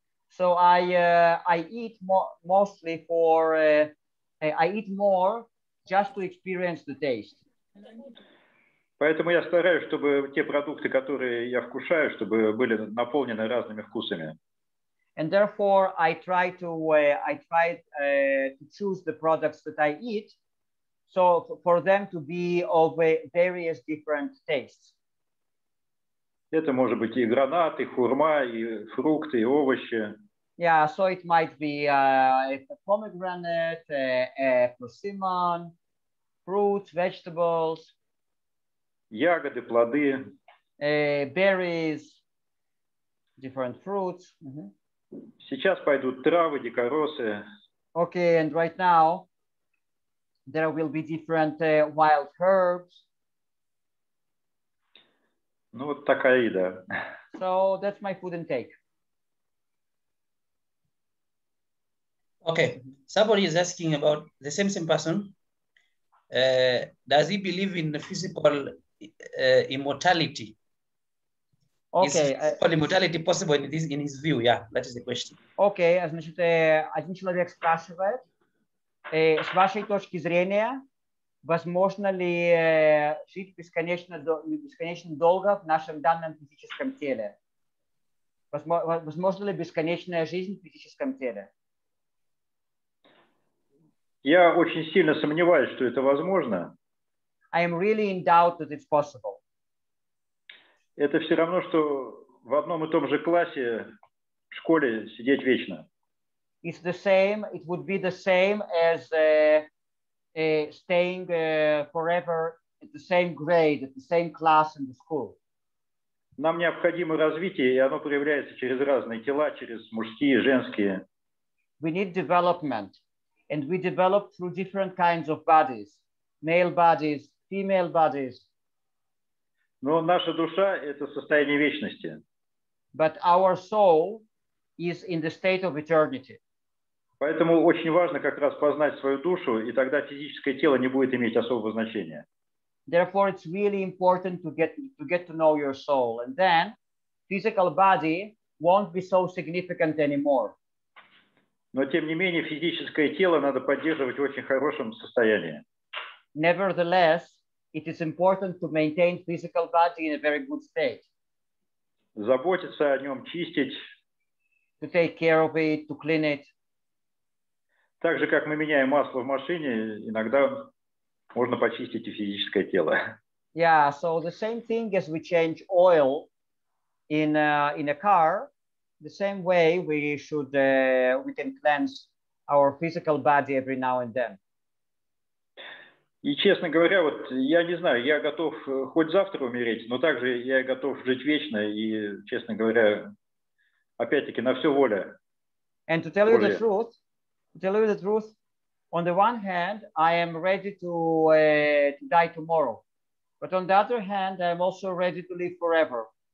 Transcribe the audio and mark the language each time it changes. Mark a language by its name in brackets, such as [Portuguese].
[English] So I eat more mostly for I eat more just to experience the taste. [Russian] Поэтому я стараюсь, чтобы те продукты, которые я вкушаю, чтобы были наполнены разными вкусами. [English] And therefore I try to to choose the products that I eat so for them to be of various different tastes. [Russian] Это может быть и гранат, и хурма, и фрукты, и овощи. [English] Yeah, so it might be a pomegranate, a persimmon, fruits, vegetables, [Russian] ягоды, плоды, [English] berries, different fruits. Mm-hmm. [Russian] Сейчас пойдут травы, дикоросы. [English] Okay, and right now there will be different wild herbs. [Russian] Ну вот такая еда. [English] So that's my food intake. Okay, somebody is asking about the same person. Does he believe in the physical immortality? Okay. Is physical immortality possible in his view? Yeah, that is the question. [Russian] Okay, значит, один человек спрашивает, с вашей точки зрения, возможно ли жить бесконечно долго в нашем данном физическом теле? Возможно ли бесконечная жизнь в физическом теле? Я очень сильно сомневаюсь, что это возможно. [English] I am really in doubt that it's possible. [Russian] Это все равно, что в одном и том же классе в школе сидеть вечно. [English] It's the same. It would be the same as staying forever at the same grade, at the same class in the school. [Russian] Нам необходимо развитие, и оно проявляется через разные тела, через мужские, женские. [English] We need development. And we develop through different kinds of bodies, male bodies, female bodies. [Russian] Но наша душа – это состояние вечности. [English] But our soul is in the state of eternity. [Russian] Поэтому очень важно как раз познать свою душу, и тогда физическое тело не будет иметь особого значения. [English] Therefore, it's really important to get to know your soul. And then physical body won't be so significant anymore. [Russian] Но, тем не менее, физическое тело надо поддерживать в очень хорошем состоянии. [English] Nevertheless, it is important to maintain physical body in a very good state. [Russian] Заботиться о нем, чистить. [English] To take care of it, to clean it. [Russian] Так же, как мы меняем масло в машине, иногда можно почистить и физическое тело. [English] Yeah, so the same thing as we change oil in a car, the same way we can cleanse our physical body every now and then. [Russian] И честно говоря, вот я не знаю, я готов хоть завтра умереть, но также я готов жить вечно и, честно говоря, опять-таки на всё воля. [English] And to tell you the truth, on the one hand, I am ready to die tomorrow, but on the other hand, I am also ready to live forever.